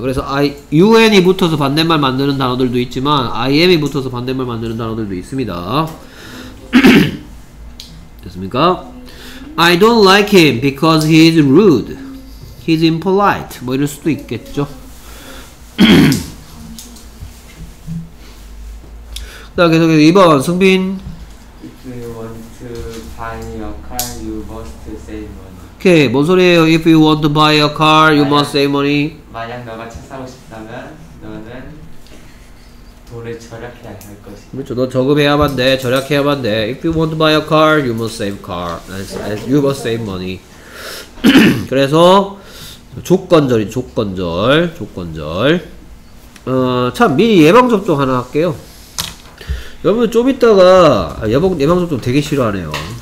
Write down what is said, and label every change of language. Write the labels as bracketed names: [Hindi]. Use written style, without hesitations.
[Korean] 그래서 I, UN이 붙어서 반대말 만드는 단어들도 있지만 IM이 붙어서 반대말 만드는 단어들도 있습니다. 됐습니까? [English] I don't like him because he is rude. He's impolite. [Korean] 뭐 이럴 수도 있겠죠. 자, 계속해서 2번 승빈. [English] If you want to buy a car, you must save money. [Korean] 오케이, okay. 뭔 소리예요? [English] If you want to buy a car, you [Korean] 만약, [English] must save money. [Korean] 만약 너가 차 사고 싶다면 너는 돈을 절약해야 할 것이다. 그렇죠, 너 저금해야만 돼, 절약해야만 돼. [English] If you want to buy a car, you must save car. You must save money. [Korean] 그래서 조건절이 조건절, 조건절. 어, 참 미리 예방접종 하나 할게요. 여러분 좀 이따가 예방접종 되게 싫어하네요.